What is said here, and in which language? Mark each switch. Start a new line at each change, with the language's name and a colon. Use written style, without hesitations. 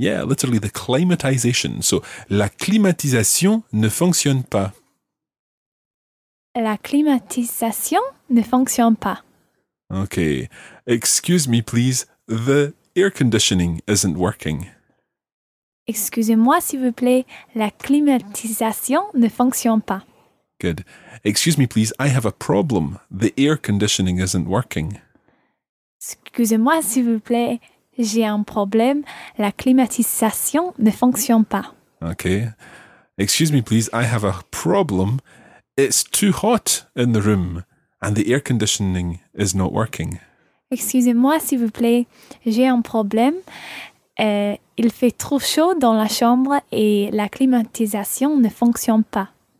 English: Yeah, literally the climatisation.
French: So, la climatisation ne fonctionne pas. La climatisation ne fonctionne pas.
English: Okay, excuse me please, the air conditioning isn't working.
French: Excusez-moi s'il vous plaît, la climatisation ne fonctionne pas.
English: Good. Excuse me please, I have a problem. The air conditioning isn't working.
French: Excusez-moi s'il vous plaît, j'ai un problème. La climatisation ne fonctionne pas.
English: Okay. Excuse me please, I have a problem. It's too hot in the room and the air conditioning is not working.
French: Excusez-moi s'il vous plaît, j'ai un problème. Il fait trop chaud dans la chambre et la climatisation ne fonctionne pas.